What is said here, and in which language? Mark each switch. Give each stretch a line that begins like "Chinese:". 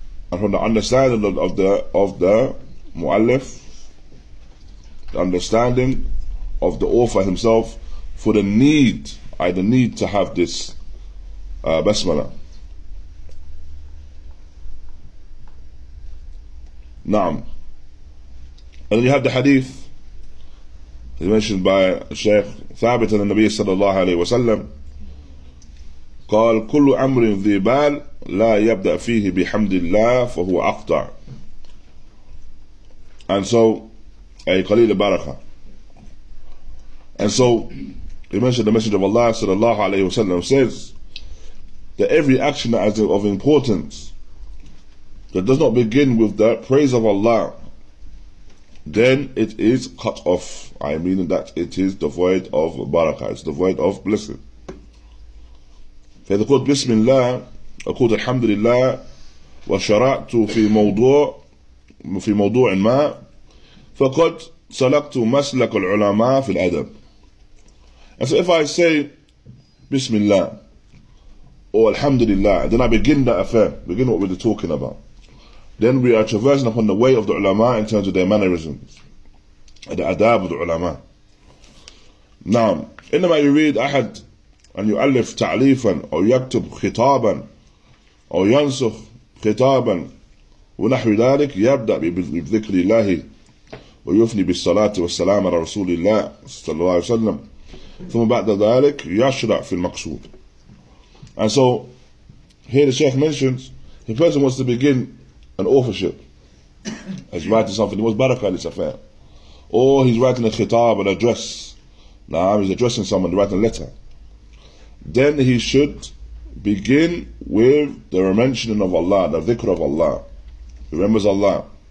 English: And from the understanding of the mu'allif, the understanding of the author himself for the need to have this basmala. Naam. And then you have the hadith, as mentioned by Shaykh Thabit and the Nabi sallallahu alayhi wa sallam.
Arabic: قال كل أمر ذي بال لا يبدأ فيه بحمد الله فهو أقطع.
English: And so
Arabic: أي قليل البركة.
English: And so he mentioned the message of Allah sallallahu alayhi wa sallam says that every action that is of importance that does not begin with the praise of Allah, then it is cut off. I mean that it is devoid of barakah, it's devoid of blessing.
Arabic: فإذا قلت بسم الله أقول الحمد لله وشرعت في موضوع ما فقد سلكت مسلك العلماء في الأدب.
English: And so if I say
Arabic: بسم الله
English: or
Arabic: الحمد لله,
English: then I begin that affair, begin what we're talking about. Then we are traversing upon the way of the ulama in terms of their mannerisms.
Arabic: الأداب والعلماء. نعم، إنما يريد أحد أن يؤلف تعليفا أو يكتب خطابا أو ينسخ خطابا ونحو ذلك، يبدأ بذكر الله ويفني بالصلاة والسلام على رسول الله صلى الله عليه وسلم، ثم بعد ذلك يشرع في المقصود.
English: And so here the Sheikh mentions the person wants to begin an authorship. He's writing something, he wants barakah in this affair. Or he's writing a khitab, an address. Now he's addressing someone, he's writing a letter. Then he should begin with the mentioning of Allah, the dhikr of Allah. He remembers Allah.